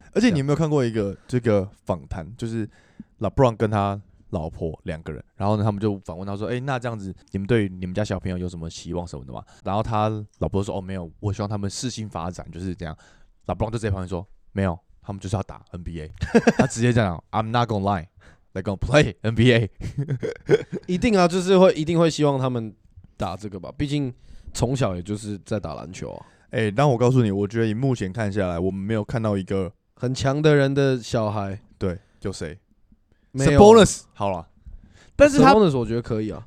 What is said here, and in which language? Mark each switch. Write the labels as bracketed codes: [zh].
[zh] 而且你有没有看过一个这个访谈，就是 LeBron 跟他老婆两个人，然后呢他们就访问他说：“哎、欸，那这样子你们对你们家小朋友有什么期望什么的吗？” 然后他老婆说：“哦，没有，我希望他们适性发展，就是这样。 ”LeBron 就在旁边说：“没有，他们就是要打 NBA。 ” 他直接这样 [en] ：“I'm not gonna lie, they're gonna play NBA 。” [zh] 一定啊，就是会一定会希望他们打这个吧，毕竟。从小也就是在打篮球啊，欸，但我告诉你，我觉得以目前看下来，我们没有看到一个很强的人的小孩。对，就谁？没有。 Sabonis 好啦，但是他 Sabonis 我觉得可以啊，